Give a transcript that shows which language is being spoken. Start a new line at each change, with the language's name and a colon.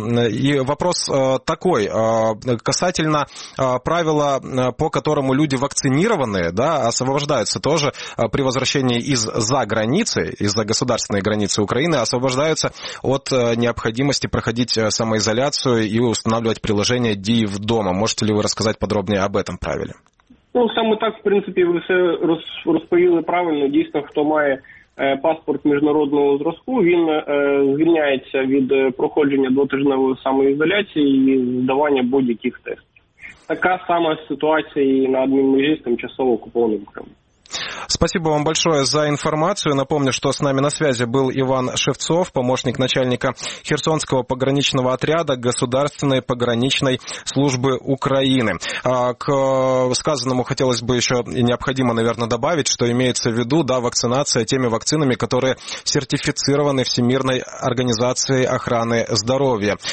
Russian: И вопрос такой, касательно правила, по которому люди вакцинированные, да, освобождаются тоже при возвращении из-за границы, из-за государственной границы Украины, освобождаются от необходимости проходить самоизоляцию и устанавливать приложение «Діїв вдома». Можете ли вы рассказать подробнее об этом правиле?
Ukrainian: Ну, саме так, в принципі, ви все розповіли правильно. Дійсно, хто має паспорт міжнародного зразку, він звільняється від проходження двотижневої самоізоляції і здавання будь-яких тестів. Така сама ситуація і на адмінмежі з тимчасово окупованим Кримом.
Russian: Спасибо вам большое за информацию. Напомню, что с нами на связи был Иван Шевцов, помощник начальника Херсонского пограничного отряда Государственной пограничной службы Украины. К сказанному хотелось бы еще и необходимо, наверное, добавить, что имеется в виду, да, вакцинация теми вакцинами, которые сертифицированы Всемирной организацией охраны здоровья.